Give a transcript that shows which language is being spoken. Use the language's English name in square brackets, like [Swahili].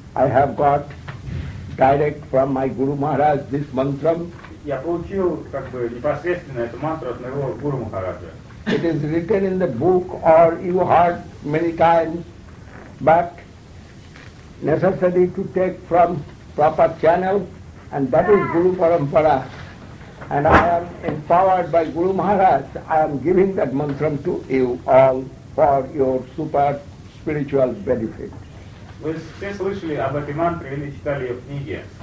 [English] I have got direct from my Guru Maharaj this mantra. [Russian] Я получил как бы непосредственно эту мантру от моего Гуру Махараджа. [English] It is written in the book or you heard many times, but necessary to take from proper channel, and that is Guru Parampara. And I am empowered by Guru Maharaj, I am giving that mantra to you all for your super spiritual benefit. [Russian] Вы все слышали об этой мантре или читали ее в книге?